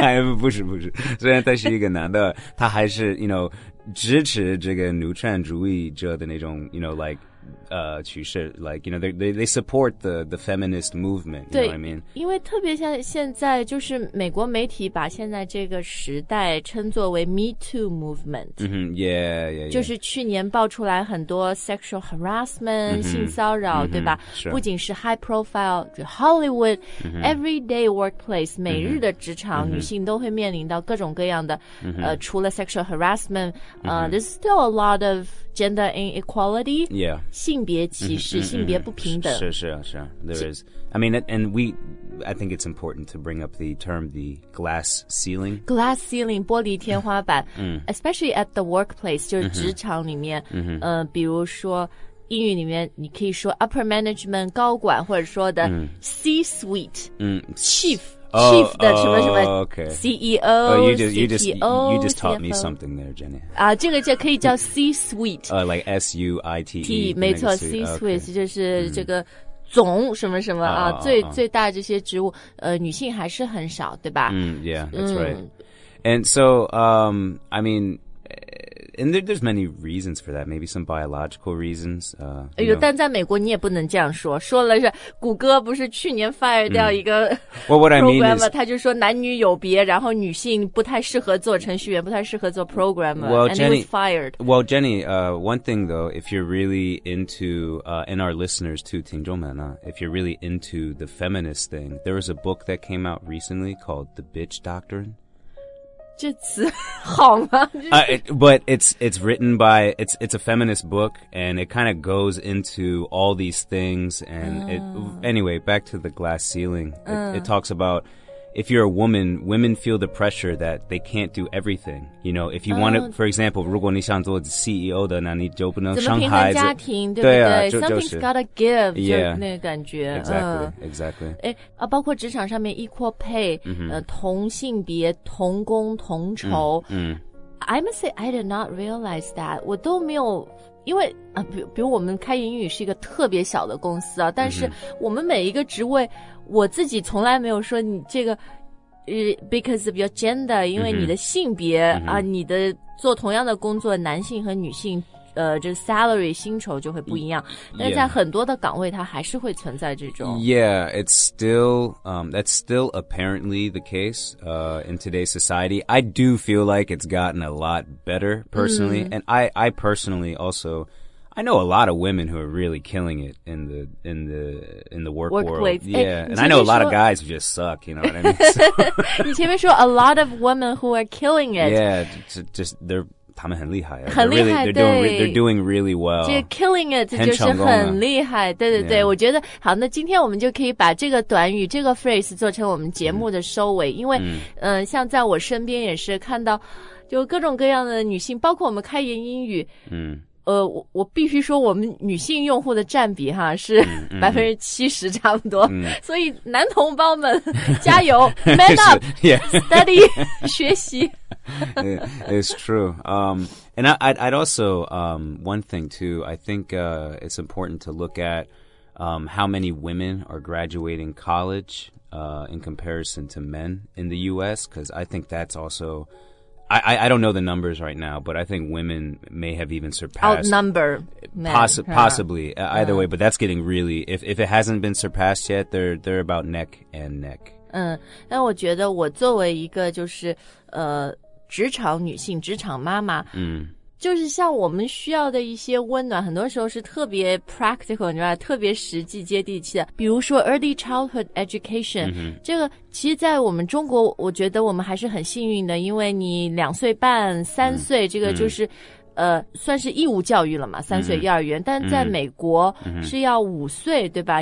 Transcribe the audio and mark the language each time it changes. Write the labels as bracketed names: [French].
[Chinese] 哎，不是，虽然他是一个男的，他还是 you know 支持这个女权主义者的那种 [English] you know like。趋势 like you know they support the feminist movement you know what I mean [Chinese] 因为特别像现在就是美国媒体把现在这个时代称作为 Me Too movement、 mm-hmm. yeah 就是去年爆出来很多 sexual harassment、 mm-hmm. 性骚扰、 mm-hmm. 对吧不仅是 high profile 就 Hollywood、 mm-hmm. [English] everyday workplace [Chinese] 每日的职场、 mm-hmm. 女性都会面临到各种各样的、 mm-hmm. 除了 sexual harassment、 mm-hmm. [English] there's still a lot ofGender inequality, yeah, [Chinese] 性别歧视 性别不平等 [English] 是 there is. I mean, and we, I think it's important to bring up the term the glass ceiling. [Chinese] Glass ceiling, 玻璃天花板 mm-hmm. [English] especially at the workplace, [Chinese] 就是职场里面，比如说英语里面，你可以说 upper management 高管，或者说的 C-suite, chief. Chief 的什么什么 [English] CEO, CTO, you just taught、 CFO. me something there, Jenny. [Chinese] 啊，这个就可以叫 C-suite. [English] Like S-U-I-T-E. [Chinese] T, 没错 ，C-suite、 [English] okay. [Chinese] 就是这个总什么什么、mm. 啊，最大这些职务，女性还是很少，对吧？ [English] 嗯、yeah, that's right. And so, I mean. And there's many reasons for that. Maybe some biological reasons. [Chinese] 哎呦，但在美国你也不能这样说。说了是谷歌不是去年 fire 掉一个 [English] programmer， [Chinese] 他就说男女有别，然后女性不太适合做程序员，不太适合做 programmer. [English] Well, Jenny was fired. Well, Jenny, one thing though, if you're really into, and our listeners too, [Chinese] 听众们啊 [English] if you're really into the feminist thing, there was a book that came out recently called The Bitch Doctrine. [Chinese] 这词好吗？ [English] But it's written by, it's a feminist book, and it kind of goes into all these things. And it, anyway, back to the glass ceiling. It talks about if you're a woman, women feel the pressure that they can't do everything. You know, if you want to, for example, [Chinese] 如果你想做 CEO 的，那你就不能生孩子。怎么平衡家庭，对不对？ [English] Something's gotta give, [Chinese] 就那个感觉。 [English] Exactly. [Chinese] 包括职场上面 equal pay, 同性别，同工同酬。 [English] I must say, I did not realize that. [Chinese] 我都没有因为比如我们开云语是一个特别小的公司啊，但是我们每一个职位，我自己从来没有说你这个 [English] because of your gender, [Chinese] 因为你的性别啊，你的做同样的工作，男性和女性这 salary 薪酬就会不一样，但在很多的岗位它还是会存在这种。 [English] Yeah, it's still, that's still apparently the case, in today's society. I do feel like it's gotten a lot better personally, and I personally also, I know a lot of women who are really killing it in the workplace. Yeah, and I know a lot of guys who just suck, you know what I mean? [Chinese] 你前面说 [English] a lot of women who are killing it. Yeah, just they're, [Chinese] 他们很厉害啊，很厉害， [English] really, [Chinese] 对 [English] they're doing really well. [Chinese] 这个 killing it 就是很厉害，对对对。 [English] Yeah. [Chinese] 我觉得好，那今天我们就可以把这个短语这个 phrase 做成我们节目的收尾，因为像在我身边也是看到，就各种各样的女性，包括我们开言英语，我必须说我们女性用户的占比哈是70%差不多，所以男同胞们加油， [English] man up, [Chinese] study 学习。 [English] It's true. And I'd also, one thing too, I think, it's important to look at, how many women are graduating college, in comparison to men in the U.S. Cause I think that's also, I don't know the numbers right now, but I think women may have even surpassed. Outnumber men. Possibly. Yeah. Either way, but that's getting really, if it hasn't been surpassed yet, they're about neck and neck. [Chinese] 但我觉得我作为一个就是,职场女性，职场妈妈，就是像我们需要的一些温暖，很多时候是特别 practical, 你知道吧，特别实际接地气的。比如说 early childhood education,这个其实在我们中国，我觉得我们还是很幸运的，因为你2岁半、3岁，这个就是算是义务教育了嘛，3岁幼儿园，但在美国是要5岁，对吧？